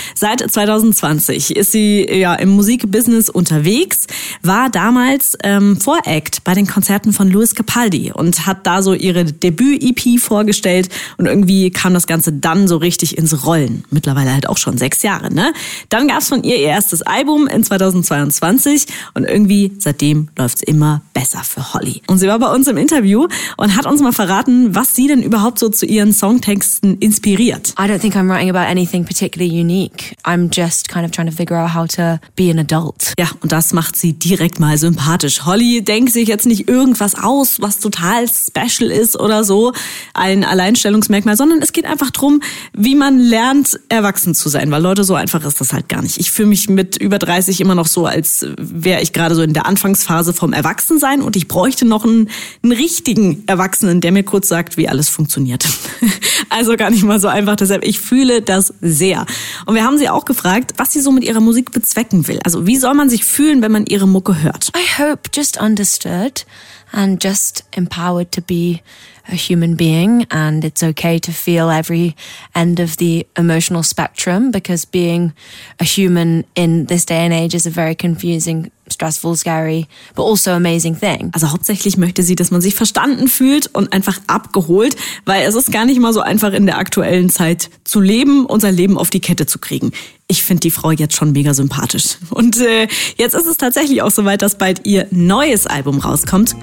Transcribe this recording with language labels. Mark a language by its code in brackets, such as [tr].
[de] Seit 2020 ist sie ja im Musikbusiness unterwegs, war damals Voract bei den Konzerten von Louis Capaldi und hat da so ihre Debüt-EP vorgestellt und irgendwie kam das Ganze dann so richtig ins Rollen. Mittlerweile halt auch schon 6 Jahre, ne? Dann gab es von ihr ihr erstes Album in 2022 und irgendwie seitdem läuft es immer besser für Holly. Und sie war bei uns im Interview und hat uns mal verraten, was sie denn überhaupt so zu ihren Songtexten inspiriert. [en] I don't think I'm writing about anything particularly unique. I'm just kind of trying to figure out how to be an adult. [de] Ja, und das macht sie direkt mal sympathisch. Holly denkt sich jetzt nicht irgendwas aus, was total special ist oder so, ein Alleinstellungsmerkmal, sondern es geht einfach drum, wie man lernt, erwachsen zu sein. Weil Leute, so einfach ist das halt gar nicht. Ich fühle mich mit über 30 immer noch so, als wäre ich gerade so in der Anfangsphase vom Erwachsensein und ich bräuchte noch einen richtigen Erwachsenen, der mir kurz sagt, wie alles funktioniert. Also gar nicht mal so einfach, deshalb ich fühle das sehr. Und wir haben sie auch gefragt, was sie so mit ihrer Musik bezwecken will. Also wie soll man sich fühlen, wenn man ihre Mucke hört? [en] I hope just understood and just empowered to be a human being and it's okay to feel every end of the emotional spectrum because being a human in this day and age is a very confusing stressful, scary, but also amazing thing. [de] Also hauptsächlich möchte sie, dass man sich verstanden fühlt und einfach abgeholt, weil es ist gar nicht mal so einfach in der aktuellen Zeit zu leben und sein Leben auf die Kette zu kriegen. Ich finde die Frau jetzt schon mega sympathisch. Und jetzt ist es tatsächlich auch soweit, dass bald ihr neues Album rauskommt.